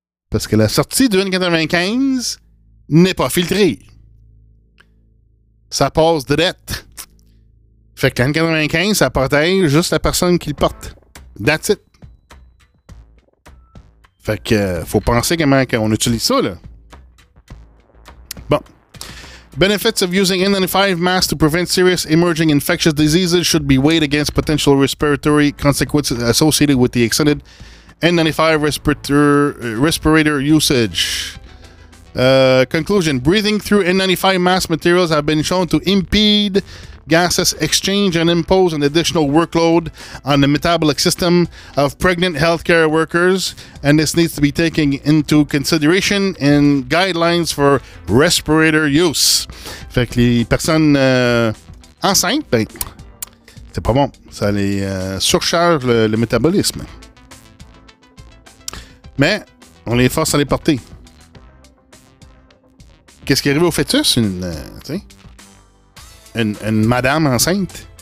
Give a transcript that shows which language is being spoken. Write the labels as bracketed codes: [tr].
[fr] Parce que la sortie du N95 n'est pas filtrée. Ça passe direct. Fait que le N95, ça protège juste la personne qui le porte. [en] That's it. [fr] Fait que faut penser comment on utilise ça, là. Bon. [en] Benefits of using N95 masks to prevent serious emerging infectious diseases should be weighed against potential respiratory consequences associated with the extended N95 respirator usage. Conclusion. Breathing through N95 mask materials have been shown to impede gases exchange and impose an additional workload on the metabolic system of pregnant healthcare workers, and this needs to be taken into consideration in guidelines for respirator use. [fr] Fait que les personnes enceintes, ben, c'est pas bon. Ça les surcharge le métabolisme. Mais on les force à les porter. Qu'est-ce qui arrive au fœtus? Une madame enceinte.